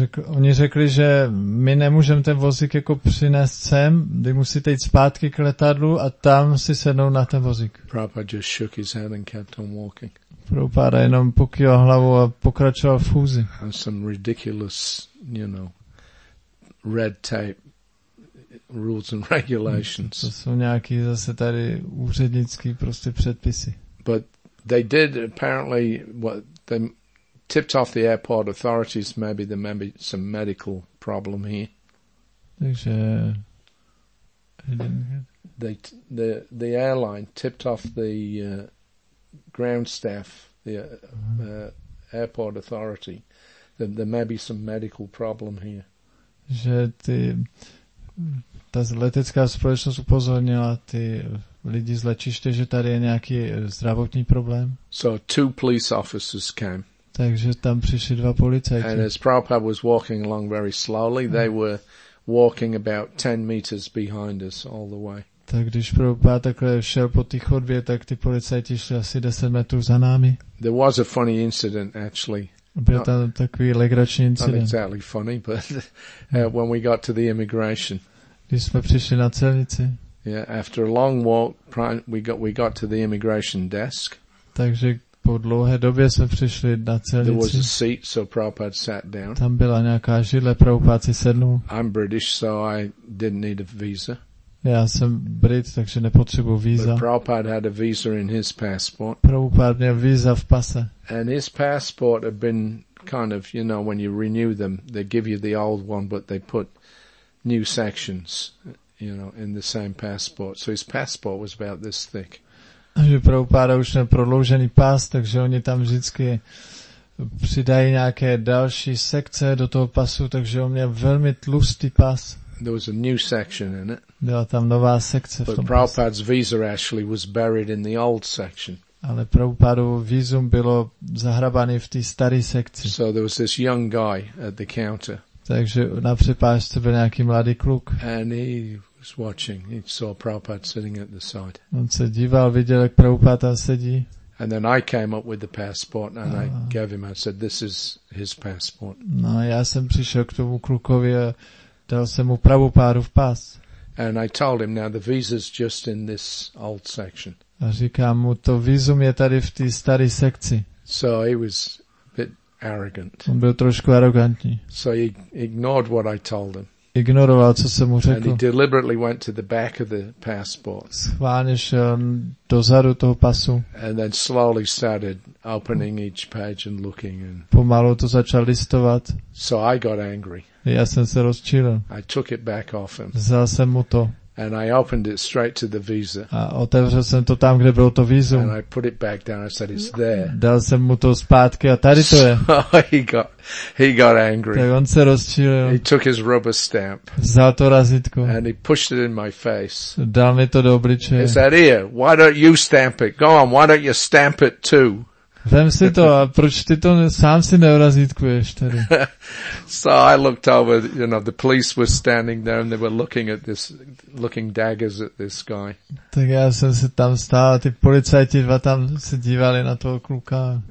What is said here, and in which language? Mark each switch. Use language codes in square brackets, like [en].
[cs] Oni řekli, že my nemůžeme ten vozík jako přinést sem, vy musíte jít zpátky k letadlu a tam si sednout na ten vozík. [en] Prabhupada just shook his head and kept on walking. [cs] Prabhupada jenom pokýval hlavou a pokračoval v chůzi. [en] And some ridiculous, you know, red tape rules and regulations. [cs] To jsou nějaký zase tady úřednický prostě předpisy. [en] But they did apparently what they tipped off the airport authorities, maybe there may be some medical problem here. [cs] Takže [en] the airline tipped off the ground staff, the airport authority, that there may be some medical problem here. [cs] Že ta letecká společnost upozornila ty lidi z letiště, že tady je nějaký zdravotní problém. [en] So two police officers came. [cs] Takže tam přišli dva policajti. [en] And as Prabhupada was walking along very slowly, they were walking about 10 meters behind us all the way. [cs] Tak když Prabhupada takhle šel po té chodbě, tak ty policajti šli asi 10 metrů za námi. [en] There was a funny incident actually. [cs] Byl tam takový legrační incident. [en] Not exactly funny, but when we got to the immigration. [cs] Když jsme přišli na celnici. [en] Yeah, after a long walk, we got to the immigration desk. [cs] Takže po dlouhé době jsme přišli na celnici. [en] There was a seat, so Prabhupada sat down. [cs] Tam byla nějaká židle, Prabhupada si sednul. [en] I'm British, so I didn't need a visa. [cs] Já jsem Brit, takže nepotřebuji víza. [en] But Prabhupada had a visa in his passport. [cs] Prabhupada měl víza v pase. [en] And his passport had been kind of, you know, when you renew them, they give you the old one, but they put new sections, you know, in the same passport. So his passport was about this thick. [cs] Že Prabhupada už měl prodloužený pas, takže oni tam vždycky přidají nějaké další sekce do toho pasu, takže on měl velmi tlustý pas. [en] There was a new section in it. [cs] Byla tam nová sekce v tom. [en] But Prabhupada's visa actually was buried in the old section. [cs] Ale Prabhupadovo vízum bylo zahrabané v té staré sekci. [en] So there was this young guy at the counter. [cs] Takže na přepážce byl nějaký mladý kluk. [en] And he was watching. He saw Prabhupada sitting at the side. [cs] On se díval, viděl, jak Prabhupada tam sedí. [en] And then I came up with the passport and I gave him. I said, "This is his passport." [cs] No, já jsem přišel k tomu klukovi a dal jsem mu Prabhupádu v pas. [en] And I told him, "Now the visa's just in this old section." [cs] A říkám mu, to vízum je tady v té staré sekci. [en] So he was a bit arrogant. [cs] On byl trošku arrogantní. [en] So he ignored what I told him. [cs] Ignoroval, co jsem mu řekl. [en] And he deliberately went to the back of the passport. [cs] Schválně šel dozadu toho pasu. [en] And then slowly started opening each page and looking. And [cs] pomalu to začal listovat. [en] So I got angry. [cs] Já jsem se rozčílil. [en] I took it back off him. [cs] Vzal jsem mu to. [en] And I opened it straight to the visa. [cs] A otevřel jsem to tam, kde bylo to vízum. [en] And I put it back down. I said, "It's there." [cs] Dal jsem mu to zpátky a tady to je. [en] He got angry. [cs] Tak on se rozčílil. [en] He took his rubber stamp. [cs] Vzal to razítko. [en] And he pushed it in my face. [cs] Dal mi to do obličeje. [en] He said, "Here, why don't you stamp it? Go on, why don't you stamp it too?" [cs] Vem si to, a proč ty to sám si neurazítkuješ tady? [en] So I looked over, you know, the police were standing there and they were looking daggers at this guy. [cs] Tak já jsem se tam stál, ty policajti dva tam se dívali na toho kluka.